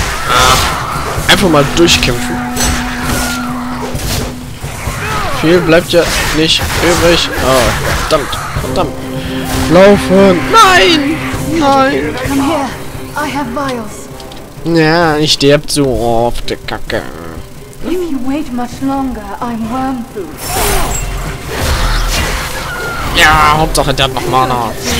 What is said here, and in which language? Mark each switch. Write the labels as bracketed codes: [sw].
[de] Ach, einfach mal durchkämpfen. Viel bleibt ja nicht übrig. Oh, verdammt, verdammt. Laufen. Nein! Nein! Komm her, ich habe Vials. Ja, ich sterb so oft, der Kacke. [en] If you wait much longer, I'm worm food. [de] Ja, Hauptsache der hat noch Mana.